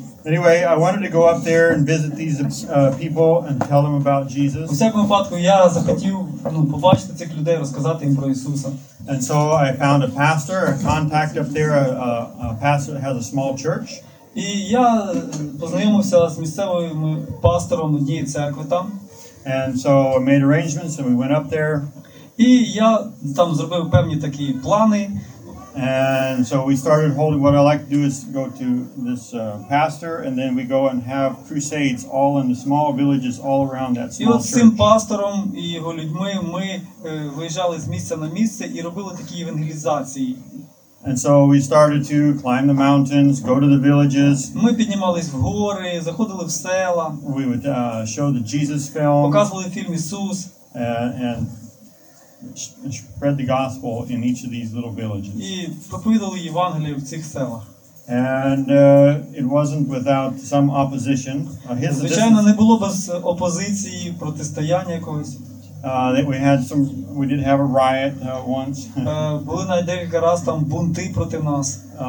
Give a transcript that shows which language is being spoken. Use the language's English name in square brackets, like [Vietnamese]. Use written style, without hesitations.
[English] Anyway, I wanted to go up there and visit these people and tell them about Jesus. [Ukrainian] У всякому випадку, я захотів, побачити цих людей, розказати їм про Ісуса. [English] And so I found a pastor, a contact up there, a pastor that has a small church. [Ukrainian] І я познайомився з місцевим пастором однієї церкви там. [English] And so I made arrangements and we went up there. [Ukrainian] І я там зробив певні такі плани. [English] And so we started holding, what I like to do is go to this pastor, and then we go and have crusades all in the small villages all around that small church. [Ukrainian] І от цим пастором і його людьми ми виїжджали з місця на місце і робили такі евангелізації. [English] And so we started to climb the mountains, go to the villages. [Ukrainian] Ми піднімались в гори, заходили в села. [English] We would show the Jesus film. [Ukrainian] Показували фільм Ісус. [English] And spread the gospel in each of these little villages. [Ukrainian] І проповідували Євангеліє в цих селах. [English] And it wasn't without some opposition. [Ukrainian] Звичайно, не було без опозиції, протистояння якогось. [English] We did have a riot once. [Ukrainian] Були на декілька раз там бунти проти нас.